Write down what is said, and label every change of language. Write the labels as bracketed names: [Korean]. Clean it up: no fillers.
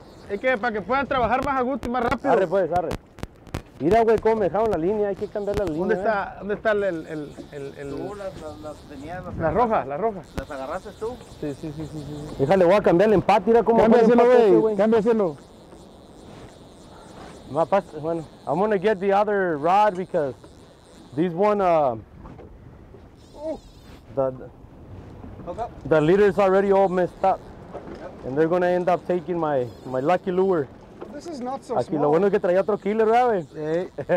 [Spanish] Es que para que puedan trabajar más a gusto y más rápido. Arre, pues, arre. Mira, güey, cómo me dejaron la línea, hay que cambiar la línea. ¿Dónde está el... Tú las tenías. Las rojas. ¿Las agarraste tú? Sí. Déjale, voy a cambiar el empate, mira cómo cambia el empate, güey. Cámbiaselo. [English] Bueno, I'm gonna get the other rod because this one, the leader is already all messed up. Yep. And they're gonna end up taking my lucky lure. This is not so [Spanish] aquí, [English] small. [Spanish] Lo bueno es que traía otro killer, ¿verdad, güey?